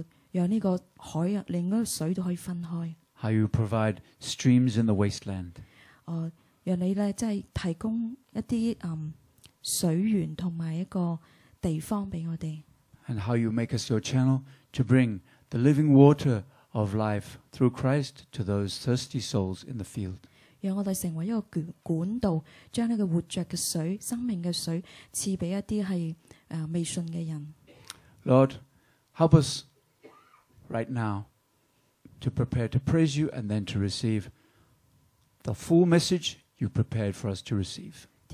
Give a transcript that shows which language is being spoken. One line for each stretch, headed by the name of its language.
Chinese: 讓這個海,令水都可以分開。
English: How you provide streams in the wasteland.
Chinese: 讓你提供一些水源和一個地方給我們。
English: And how you make us your channel to bring the living water of life through Christ to those thirsty souls in the field.
Chinese: 讓我們成為一個管道,將這個活著的水,生命的水,賜給一些未信的人。
English: Lord, help us right now to prepare to praise you and then to receive the full message you prepared for us to receive.